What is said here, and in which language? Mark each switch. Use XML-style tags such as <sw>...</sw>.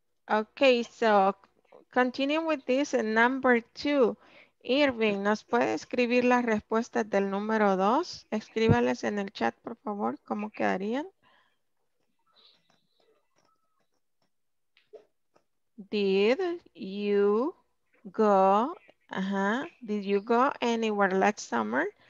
<en>Okay, so continue with this and number two.</en> <es>Irving, ¿nos puede escribir las respuestas del número dos? Escríbales en el chat, por favor, ¿cómo quedarían?</es> <en>Did you go, did you go anywhere last summer?</en>